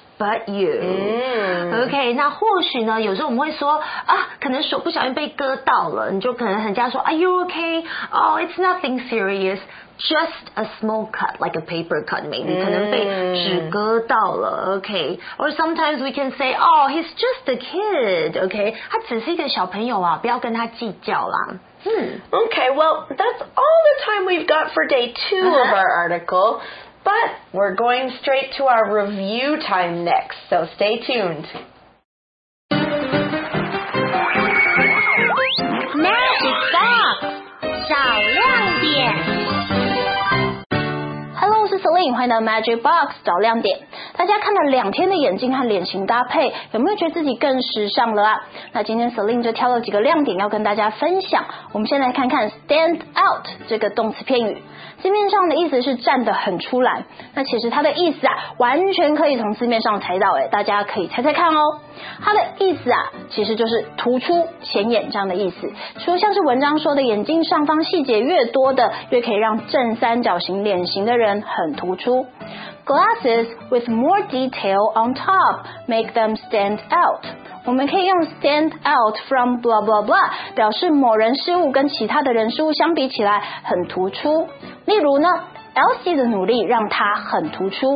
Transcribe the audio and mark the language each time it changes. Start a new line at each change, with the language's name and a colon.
English: But you.
Chinese: OK, 那或许呢有时候我们会说啊，可能手不小心被割到了，你就可能人家说
English: Are you OK? Oh, it's nothing serious. Just a small cut, like a paper cut maybe.
Chinese: 可能被纸割到了
English: OK. Or sometimes we can say, Oh, he's just a kid.
Chinese: OK, 他只是一个小朋友啊，不要跟他计较啦。
English: OK, well, that's all the time we've got for day two of our article. But we're going straight to our review time next, so stay tuned. Magic Box!
Chinese: 小亮点 Celine， 欢迎到 Magic Box 找亮点。大家看了两天的眼镜和脸型搭配，有没有觉得自己更时尚了啊？那今天 Celine 就挑了几个亮点要跟大家分享。我们先来看看 stand out 这个动词片语，字面上的意思是站得很出来。那其实它的意思啊，完全可以从字面上猜到，大家可以猜猜看哦。它的意思啊，其实就是突出、显眼这样的意思。说像是文章说的，眼镜上方细节越多的，越可以让正三角形脸型的人很突出。
English: Glasses with more detail on top make them stand out.
Chinese: 我们可以用
English: stand out from blah blah blah
Chinese: 表示某人事物跟其他的人事物相比起来很突出。例如呢， Elsie 的努力让她很突出。